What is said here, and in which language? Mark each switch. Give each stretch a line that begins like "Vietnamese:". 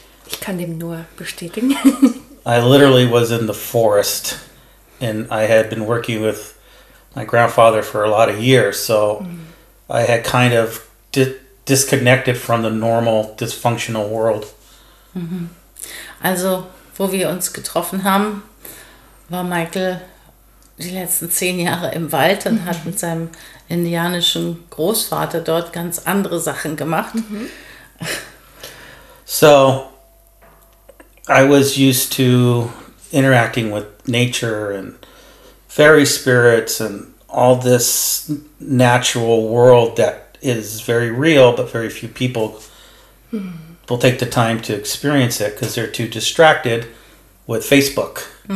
German: ich kann dem nur bestätigen.
English: I literally was in the forest and I had been working with my grandfather for a lot of years, so I had kind of disconnected from the normal dysfunctional world.
German: Also, wo wir uns getroffen haben, war Michael die letzten 10 Jahre im Wald und hat mit seinem indianischen Großvater dort ganz andere Sachen gemacht.
English: So, I was used to interacting with nature and fairy spirits and all this natural world that is very real, but very few people will take the time to experience it because they're too distracted with Facebook.